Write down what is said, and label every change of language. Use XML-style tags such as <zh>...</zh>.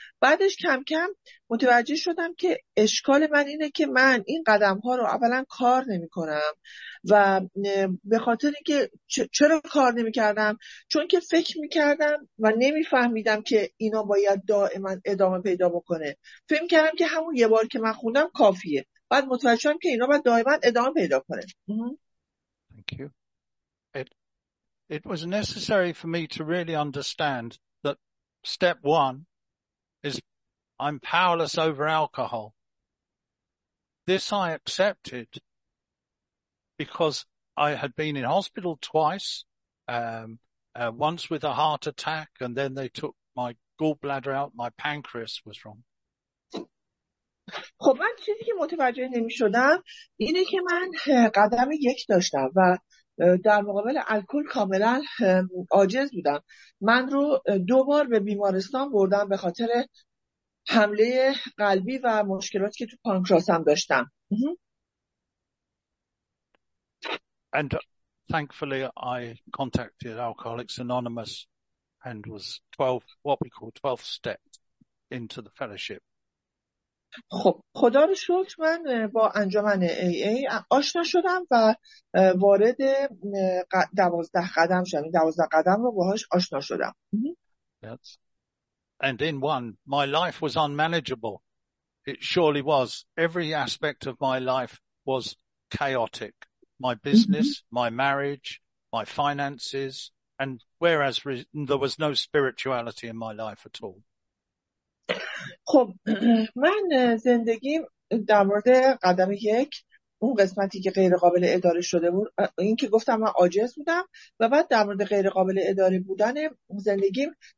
<fa>بعدش کم کم متوجه شدم که اشکال من اینه که من این قدم ها رو اولا کار نمی کنم و به خاطر اینکه چرا کار نمی کردم؟ چون که فکر می کردم و نمی فهمیدم که اینا باید دائما ادامه پیدا بکنه. فکر می کردم که همون یه بار که من خوندم کافیه. بعد متوجه شدم که اینا باید دائما ادامه پیدا کنه.</fa> <en>Thank you. It was necessary for me to really understand that step one is I'm powerless over alcohol. This I accepted because I had been in hospital twice, once with a heart attack, and then they took my gallbladder out, my pancreas was wrong.</en> <fa>خب من چیزی که متوجه نمی شدم اینه که من قدم یک داشتم و در مقابل الکل کاملا عاجز بودم. من رو 2 بار به بیمارستان بردم به خاطر حمله قلبی و مشکلاتی که تو پانکراسم داشتم.</fa> <en>And thankfully I contacted Alcoholics Anonymous and was 12, what we call 12th step into the fellowship.</en> <fa>خب خدا رو شکر من با انجمن AA آشنا شدم و وارد 12 قدم شدم. 12 قدم رو باهاش آشنا شدم.</fa> <en>Yes. And in one, my life was unmanageable. It surely was. Every aspect of my life was chaotic. My business, my marriage, my finances, and whereas there was no spirituality in my life at all.</en> <fa>خب من زندگیم در مورد قدم یک اون قسمتی که غیر قابل اداره شده بود این که گفتم من عاجز بودم و بعد در مورد غیر قابل اداره بودن زندگیم</fa>